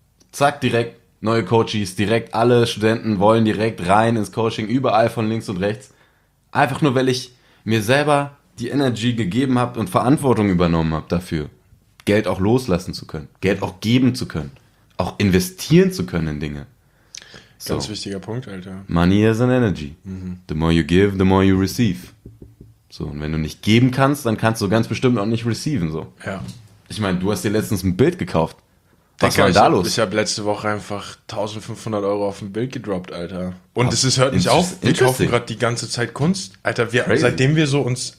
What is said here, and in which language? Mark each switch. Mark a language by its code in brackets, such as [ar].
[de] Zack, direkt neue Coaches, direkt alle Studenten wollen direkt rein ins Coaching, überall von links und rechts. Einfach nur, weil ich mir selber die Energy gegeben habe und Verantwortung übernommen habe dafür, Geld auch loslassen zu können, Geld auch geben zu können, auch investieren zu können in Dinge. So. Ganz wichtiger Punkt, Alter. [en] Money is an energy. Mhm. The more you give, the more you receive. [de] So, und wenn du nicht geben kannst, dann kannst du ganz bestimmt auch nicht receiven, so. Ja. Ich meine, du hast dir letztens ein Bild gekauft. Was war da los? Ich habe letzte Woche einfach 1.500 Euro auf ein Bild gedroppt, Alter. Und es hört nicht auf. Wir kaufen gerade die ganze Zeit Kunst. Alter, seitdem wir so uns...